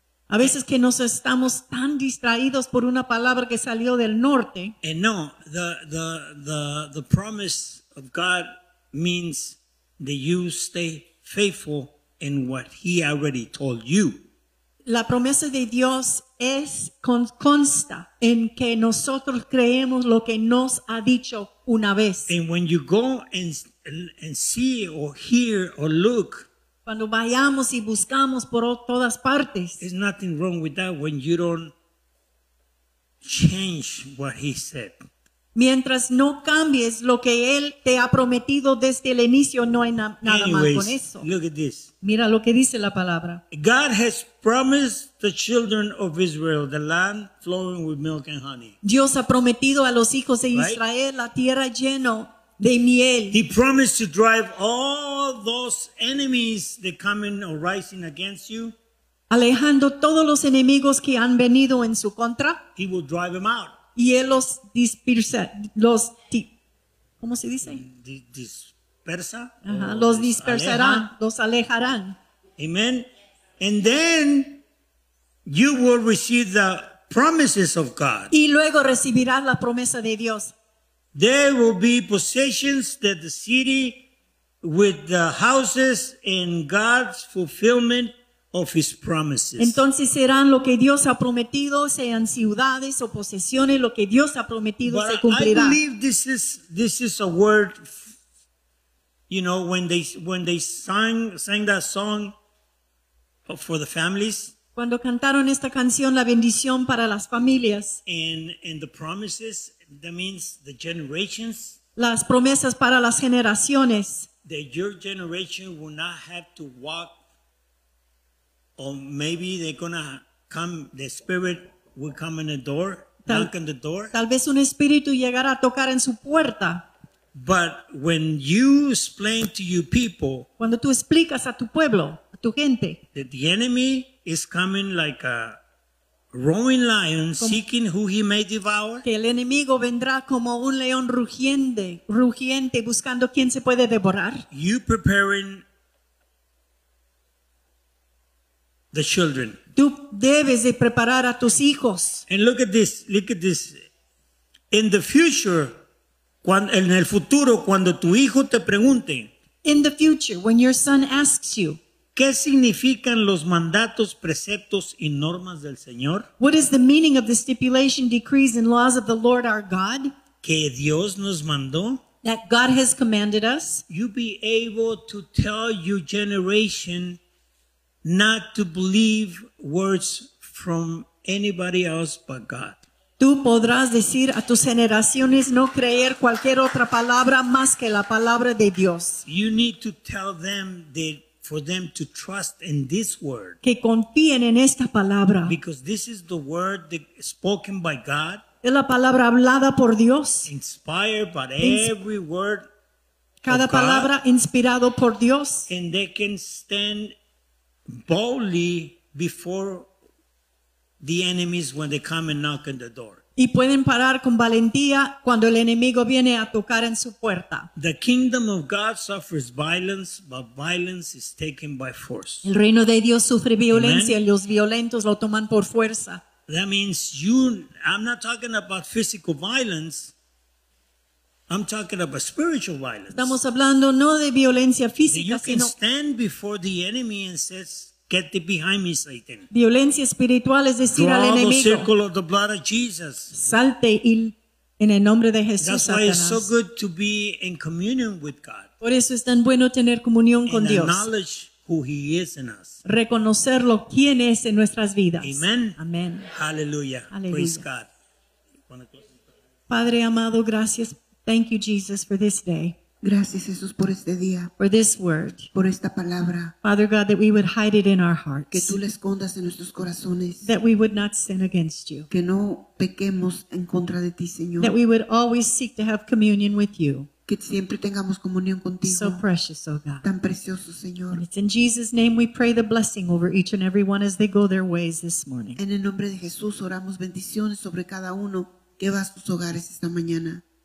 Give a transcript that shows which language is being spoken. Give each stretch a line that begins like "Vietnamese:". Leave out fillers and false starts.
Spanish: A veces que nos estamos tan distraídos por una palabra que salió del norte.
English: And no, the promise of God means that you stay faithful in what he already told you.
Spanish: La promesa de Dios es consta en que nosotros creemos lo que nos ha dicho una vez.
English: And when you go and see or hear or look,
Spanish: cuando vayamos y buscamos por todas partes,
English: there's nothing wrong with that when you don't change what he said.
Spanish: Mientras no cambies lo que él te ha prometido desde el inicio, no hay nada
English: Anyways,
Spanish: mal con eso.
English: Look at this.
Spanish: Mira lo que dice la palabra.
English: God has promised the children of Israel the land flowing with milk and honey.
Spanish: Dios ha prometido a los hijos de Israel la tierra lleno de miel.
English: He promised to drive all those enemies that coming or rising against you.
Spanish: Alejando todos los enemigos que han venido en su contra.
English: He will drive them out.
Spanish: Y él los dispersa, los ¿cómo se dice? Dispersa. Los dispersarán, los alejarán.
English: Amen. And then you will receive the promises of God.
Spanish: Y luego recibirás la promesa de Dios.
English: There will be possessions that the city with the houses in God's fulfillment of his promises.
Spanish: Entonces serán lo que Dios ha prometido, sean ciudades o posesiones, lo que Dios ha prometido
English: but
Spanish: se cumplirá.
English: I believe this is a word, you know, when they sang that song for the families.
Spanish: Cuando cantaron esta canción, la bendición para las familias.
English: And the promises, that means the generations.
Spanish: Las promesas para las generaciones.
English: That your generation will not have to walk. Or maybe they're going to come, the spirit will come in the door, knock on the door.
Spanish: Tal vez un espíritu llegará a tocar en su puerta.
English: But when you explain to your people.
Spanish: Cuando tú explicas a tu pueblo, a tu gente.
English: That the enemy is coming like a roaring lion seeking who he may devour.
Spanish: Que el enemigo vendrá como un león rugiente, buscando quién se puede devorar.
English: You preparing the children.
Spanish: Tú debes de preparar a tus hijos.
English: And look at this. In the future,
Spanish: cuando, en el futuro, cuando tu hijo te pregunte.
English: In the future, when your son asks you.
Spanish: ¿Qué significan los mandatos, preceptos y normas del Señor?
English: What is the meaning of the stipulation, decrees, and laws of the Lord our God?
Spanish: Que Dios nos mandó.
English: That God has commanded us. You be able to tell your generation not to believe words from anybody else but God.
Spanish: Tú podrás decir a tus generaciones no creer cualquier otra palabra más que la palabra de Dios.
English: You need to tell them that for them to trust in this word.
Spanish: Que confíen en esta palabra.
English: Because this is the word that is spoken by God.
Spanish: Es la palabra hablada por Dios.
English: Inspired by every word.
Spanish: Cada palabra inspirado por Dios.
English: And they can stand boldly before the enemies when they come and knock on the door.
Spanish: Y pueden parar con valentía cuando el enemigo viene a tocar en su puerta.
English: The kingdom of God suffers violence, but violence is taken by force.
Spanish: El reino de Dios sufre violencia, y los violentos lo toman por fuerza.
English: That means I'm not talking about physical violence. I'm talking about spiritual violence.
Spanish: Estamos hablando no de violencia física,
English: you can
Spanish: sino
English: stand before the enemy and says, get thee behind me, Satan.
Spanish: Violencia espiritual es decir
English: draw
Spanish: al enemigo,
English: the circle of the blood of Jesus.
Spanish: Salte il, en el nombre de Jesús, Satanás.
English: That's why it's so good to be in communion with God.
Spanish: Por eso es tan bueno tener comunión con Dios.
English: Acknowledge who he is in us.
Spanish: Reconocerlo quién es en nuestras vidas.
English: Amen. Amen. Hallelujah. Hallelujah. Praise God.
Spanish: Padre amado, gracias.
English: Thank you, Jesus, for this day.
Spanish: Gracias, Jesús, por este día.
English: For this word.
Spanish: Por esta palabra.
English: Father God, that we would hide it in our hearts.
Spanish: Que tú la escondas en nuestros corazones.
English: That we would not sin against you.
Spanish: Que no pequemos en contra de ti, Señor.
English: That we would always seek to have communion with you.
Spanish: Que siempre tengamos comunión contigo.
English: So precious, oh God.
Spanish: Tan precioso, Señor.
English: And it's in Jesus' name we pray the blessing over each and every one as they go their ways this morning.
Spanish: En el nombre de Jesús oramos bendiciones sobre cada uno que va a sus hogares esta mañana.